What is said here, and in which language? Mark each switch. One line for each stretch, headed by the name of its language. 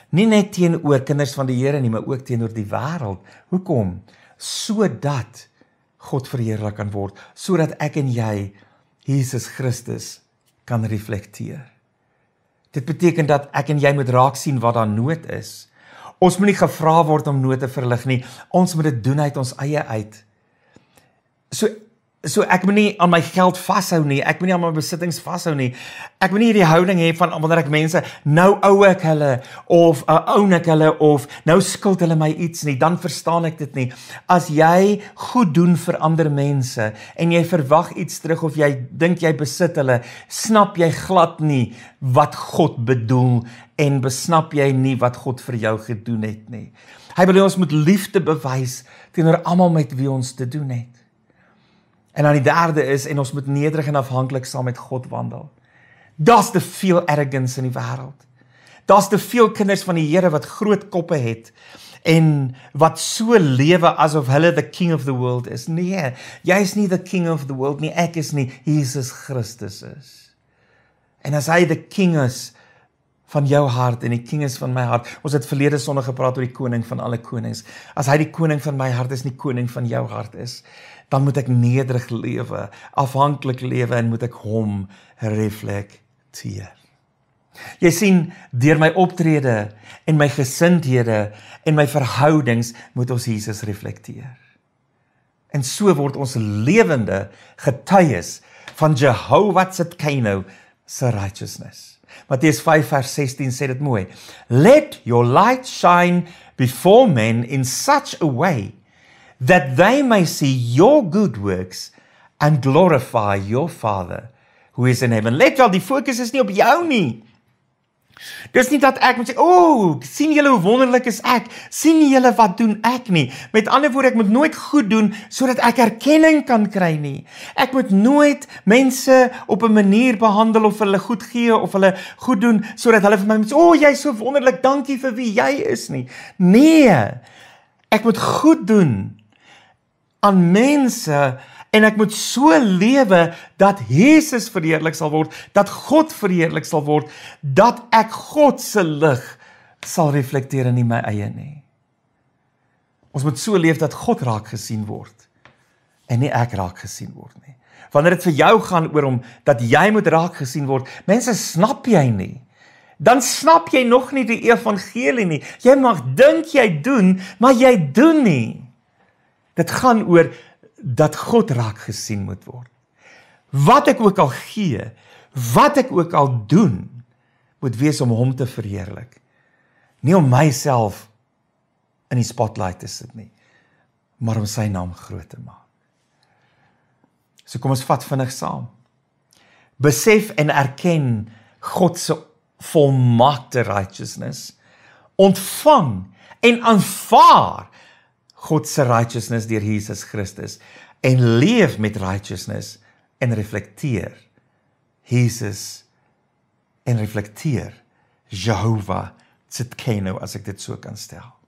Afrikaans: Nie net teenoor kinders van die Here nie, maar ook teenoor die wêreld. Hoekom? Sodat God verheerlik kan word. Sodat ek en jy Jesus Christus kan reflekteer. Dit beteken dat ek en jy moet raak sien wat daar nood is. Ons moet nie gevra word om nood te verlig nie. Ons moet dit doen uit ons eie uit. So ek moet nie aan my geld vashou nie. Ek moet nie aan my besittings vashou nie. Ek moet nie hierdie houding hê van wanneer ek mense nou ou ek hulle of ou ek hulle of nou skuld hulle my iets nie. Dan verstaan ek dit nie. As jy goed doen vir ander mense en jy verwag iets terug of jy dink jy besit hulle, snap jy glad nie wat God bedoel en besnap jy nie wat God vir jou gedoen het nie. Hy wil ons met liefde bewys teenoor almal met wie ons te doen het. En dan die derde is, en ons moet nederig en afhankelijk saam met God wandel. Da's te veel arrogance in die wêreld. Da's te veel kinders van die Here wat groot koppe het, en wat so lewe asof hulle
English: the king of the world
Afrikaans: is. Nee, jy is nie
English: the king of the world
Afrikaans: nie, ek is nie, Jesus Christus is. En as hy the king is van jou hart, en die king is van my hart, ons het verlede sonder gepraat oor die koning van alle konings, as hy die koning van my hart is, nie koning van jou hart is, dan moet ek nederig lewe, afhanklik lewe, en moet ek hom reflekteer. Jy sien, deur my optrede, en my gesindhede, en my verhoudings, moet ons Jesus reflekteer. En so word ons lewende getuies van Jehovah Tsidkenu se righteousness. Matteus 5 vers 16 sê dit mooi,
English: let your light shine before men in such a way that they may see your good works and glorify your Father who is in heaven.
Afrikaans: Let wel, die focus is nie op jou nie. Dis nie dat ek moet sê, sien julle hoe wonderlik is ek, sien julle wat doen ek nie. Met ander woorde, ek moet nooit goed doen sodat ek erkenning kan kry nie. Ek moet nooit mense op 'n manier behandel of hulle goed gee of hulle goed doen sodat hulle vir my moet sê, jy is so wonderlik, dankie vir wie jy is nie. Nee, ek moet goed doen aan mense en ek moet so lewe dat Jesus verheerlik sal word, dat God verheerlik sal word, dat ek God se lig sal reflekteer in my eie nie. Ons moet so leef dat God raak gesien word en nie ek raak gesien word nie. Wanneer dit vir jou gaan oor om dat jy moet raak gesien word, mense snap jy nie. Dan snap jy nog nie die evangelie nie. Jy mag dink jy doen, maar jy doen nie. Dit gaan oor dat God raak gesien moet word. Wat ek ook al gee, wat ek ook al doen, moet wees om hom te verheerlik. Nie om myself in die spotlight te sit nie, maar om sy naam groot te maak. So kom ons vat vinnig saam. Besef en erken God se volmaakte righteousness. Ontvang en aanvaar God se righteousness deur Jesus Christus en leef met righteousness en reflekteer Jesus en reflekteer Jehovah Tsidkenu, as ek dit so kan stel.